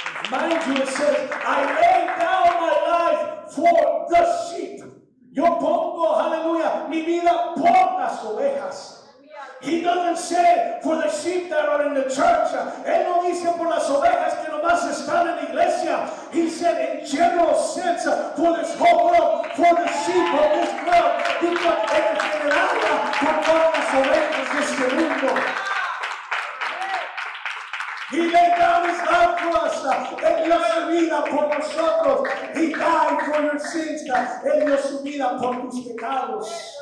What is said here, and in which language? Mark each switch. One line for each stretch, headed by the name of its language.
English: Mind you, it says, I lay down my life for the sheep.
Spanish: Yo pongo, hallelujah, mi vida por las ovejas.
English: He doesn't say for the sheep that are in the church.
Spanish: Él no dice por las ovejas que nomás están en la iglesia.
English: He said in general sense for this whole world, for the sheep of this world.
Spanish: Dijo en general por todas las ovejas de este mundo.
English: He laid down his life for us.
Spanish: Él dio su vida por nosotros.
English: He died for your sins.
Spanish: Él dio su vida por tus pecados.